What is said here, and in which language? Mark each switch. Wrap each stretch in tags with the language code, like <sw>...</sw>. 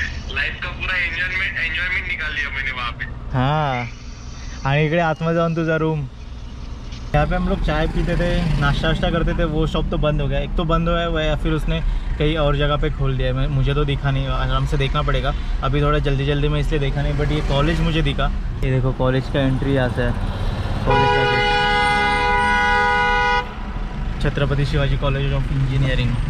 <hi>Life का पूरा enjoyment निकाल लिया मैंने वहाँ पे।</hi> <mr>हाँ आणि इकडे आत्मा जाऊन तुझा रूम।</mr> <hi>यहाँ पे हम लोग चाय पीते थे, नाश्ता वाश्ता करते थे। वो शॉप तो बंद हो गया, एक तो बंद हुआ है वह, या फिर उसने कहीं और जगह पे खोल दिया है, मुझे तो दिखा नहीं, आराम से देखना पड़ेगा। अभी थोड़ा जल्दी जल्दी में इसलिए देखा नहीं, बट ये कॉलेज मुझे दिखा। ये देखो कॉलेज का एंट्री यहाँ से है, कॉलेज का gate, Chhatrapati Shivaji college of engineering.</hi>